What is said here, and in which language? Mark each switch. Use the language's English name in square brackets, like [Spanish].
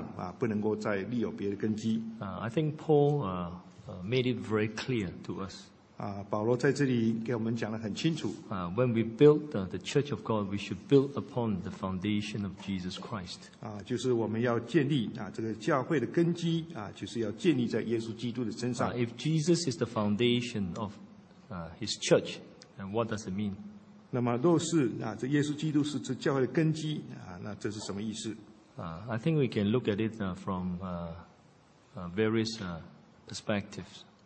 [Chinese] 那么在这个已经立好的根基之上，不能够再立有别的根基。 [English] I think Paul made it very clear to us. [Chinese] 保罗在这里给我们讲得很清楚。 [English] When we build the church of God, we should build upon the foundation of Jesus Christ. [Chinese] 就是我们要建立这个教会的根基，就是要建立在耶稣基督的身上。 [English] If Jesus is the foundation of His church, then what does it mean? [Chinese] 那么若是这耶稣基督是这教会的根基，那这是什么意思？ [English] I think we can look at it from various perspectives.